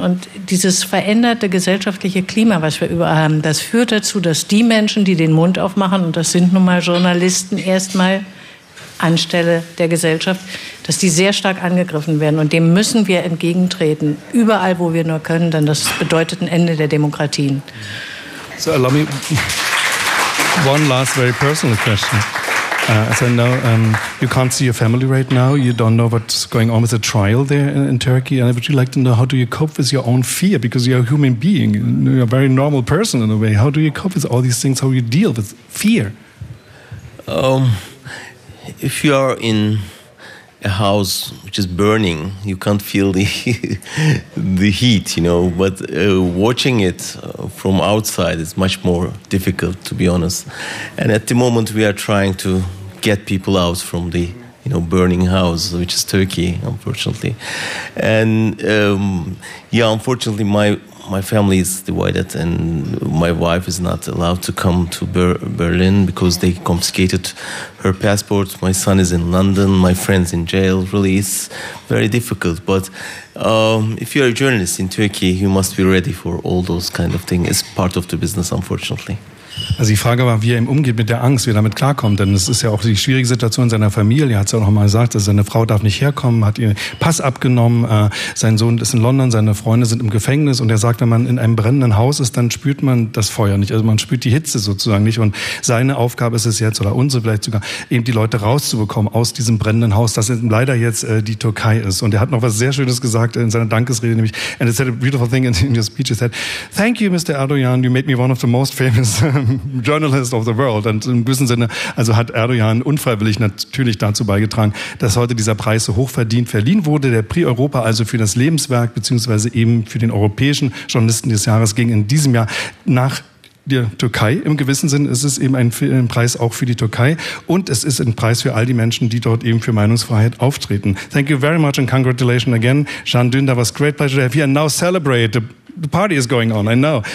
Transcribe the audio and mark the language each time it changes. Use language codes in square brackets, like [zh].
[de] Und dieses veränderte gesellschaftliche Klima, was wir überall haben, das führt dazu, dass die Menschen, die den Mund aufmachen, und das sind nun mal Journalisten erstmal anstelle der Gesellschaft, dass die sehr stark angegriffen werden. Und dem müssen wir entgegentreten, überall, wo wir nur können, denn das bedeutet ein Ende der Demokratien. [en] So, allow me one last very personal question. As I know, you can't see your family right now. You don't know what's going on with the trial there in Turkey. And would you like to know how do you cope with your own fear? Because you're a human being, you're a very normal person in a way. How do you cope with all these things? How do you deal with fear? If you are in a house which is burning, you can't feel the heat, you know, but watching it from outside is much more difficult, to be honest. And at the moment we are trying to get people out from the, you know, burning house, which is Turkey, unfortunately. And unfortunately my family is divided and my wife is not allowed to come to Berlin because they confiscated her passport. My son is in London, my friend's in jail. Really, it's very difficult. But if you're a journalist in Turkey, you must be ready for all those kind of things. It's part of the business, unfortunately. [de] Also die Frage war, wie er ihm umgeht mit der Angst, wie er damit klarkommt. Denn es ist ja auch die schwierige Situation in seiner Familie. Er hat es ja auch noch mal gesagt, dass seine Frau darf nicht herkommen, hat ihr Pass abgenommen. Sein Sohn ist in London, seine Freunde sind im Gefängnis. Und er sagt, wenn man in einem brennenden Haus ist, dann spürt man das Feuer nicht. Also man spürt die Hitze sozusagen nicht. Und seine Aufgabe ist es jetzt, oder unsere vielleicht sogar, eben die Leute rauszubekommen aus diesem brennenden Haus, das leider jetzt die Türkei ist. Und er hat noch was sehr Schönes gesagt in seiner Dankesrede, nämlich, [en] and it said a beautiful thing in your speech. He said, thank you, Mr. Erdogan, you made me one of the most famous Journalist of the world. [de] Und im gewissen Sinne, also hat Erdogan unfreiwillig natürlich dazu beigetragen, dass heute dieser Preis so hochverdient verliehen wurde. Der Prix Europa, also für das Lebenswerk, beziehungsweise eben für den europäischen Journalisten des Jahres, ging in diesem Jahr nach der Türkei. Im gewissen Sinne ist es eben ein Preis auch für die Türkei. Und es ist ein Preis für all die Menschen, die dort eben für Meinungsfreiheit auftreten. [en] Thank you very much and congratulations again. Can Dündar, was great pleasure to have you and now celebrate the party is going on, I know.